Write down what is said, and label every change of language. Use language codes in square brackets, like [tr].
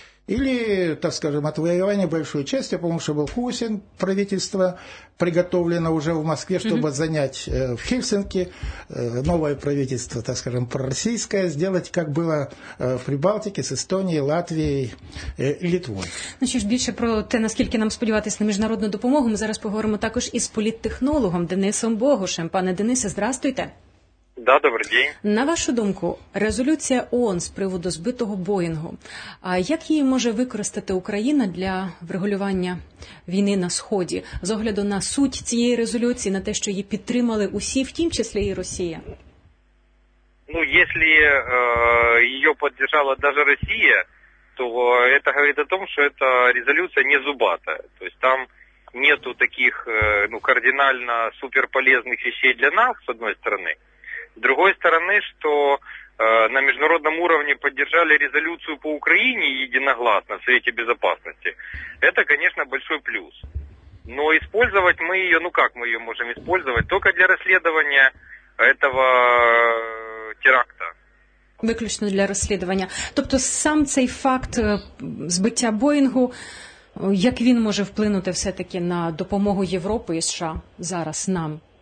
[ru] Или, так скажем, отвоевание большой части, потому что был Хусин, правительство приготовлено уже в Москве, чтобы занять в Хельсинки новое правительство, так скажем, пророссийское, сделать, как было в Прибалтике с Эстонией, Латвией и Литвой. [uk] Ну що ж, більше про те, наскільки нам сподіватися на міжнародну допомогу, ми зараз поговоримо також із політтехнологом Денисом Богушем. Пане Денисе, [ru] здравствуйте. Да, добрый день. [uk] На вашу думку, резолюція ООН з приводу збитого Боїнгу, а як її може використати Україна для врегулювання війни на Сході? З огляду на суть цієї резолюції, на те, що її підтримали усі, в тім числі і Росія? Ну, якщо її підтримала навіть Росія, то це говорить о тому, що ця резолюція не зубата. Тобто там нету таких кардинально [ru] суперполезних вещей [uk] для нас, з одної сторони. [ru] С другой стороны, что на международном уровне поддержали резолюцию по Украине единогласно в Совете Безопасности, это, конечно, большой плюс. Но использовать мы ее, ну как мы ее можем использовать? Только для расследования этого теракта. [uk] Виключно для расследования. Тобто сам цей факт збиття Боїнгу, як він може вплинути все-таки на допомогу Європи і США зараз нам?